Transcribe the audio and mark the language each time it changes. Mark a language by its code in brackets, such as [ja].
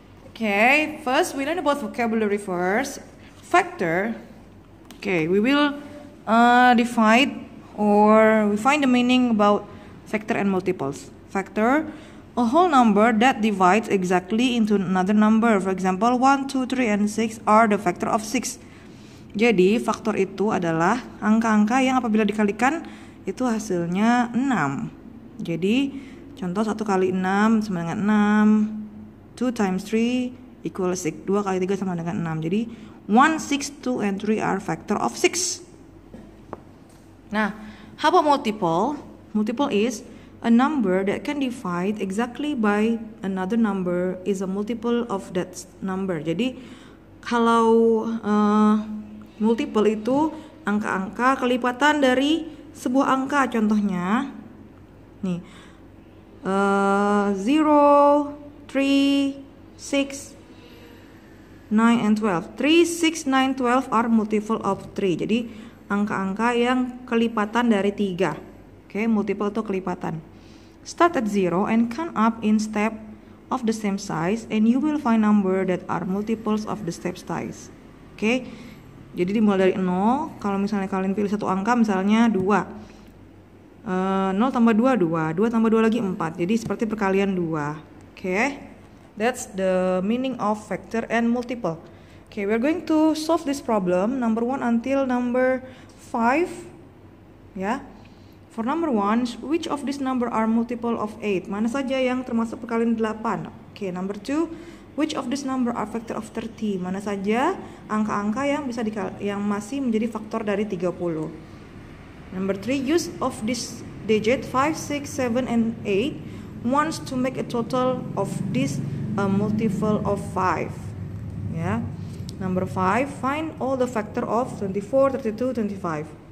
[en] Okay, first we learn about vocabulary first. Vector, okay, we will divide or we find the meaning about vector and multiples. Factor, a whole number that divides exactly into another number. For example, 1, 2, 3, and 6 are the factor of 6. [id] Jadi, faktor itu adalah angka-angka yang apabila dikalikan, itu hasilnya 6. Jadi, contoh 1 kali 6 sama dengan 6, [en] 2 times 3 equals 6, [id] 2 kali 3 sama dengan 6. [en] Jadi, 1, 6, 2, and 3 are factor of 6. Nah, how about multiple? Multiple is a number that can divide exactly by another number is a multiple of that number. [id] Jadi kalau multiple itu angka-angka kelipatan dari sebuah angka, contohnya nih 0, 3, 6, 9 and 12. [en] 3, 6, 9, 12 are multiple of 3. [id] Jadi angka-angka yang kelipatan dari 3. Oke, okay, multiple itu kelipatan. [en] Start at 0 and count up in step of the same size and you will find number that are multiples of the step size. Okay? [id] Jadi dimulai dari 0, kalau misalnya kalian pilih satu angka misalnya 2. 0 tambah 2, 2. 2 tambah 2 lagi 4. Jadi seperti perkalian 2. Okay? [en] That's the meaning of factor and multiple. Okay, we're going to solve this problem number 1 until number 5. Yeah? For number 1, which of these number are multiple of 8? [id] Mana saja yang termasuk perkalian 8? [en] Okay, number 2, which of these number are factor of 30? [id] Mana saja angka-angka yang bisa yang masih menjadi faktor dari 30? [en] Number 3, use of this digit 5, 6, 7 and 8 wants to make a total of this multiple of 5. Yeah. Number 5, find all the factor of 24, 32, 25.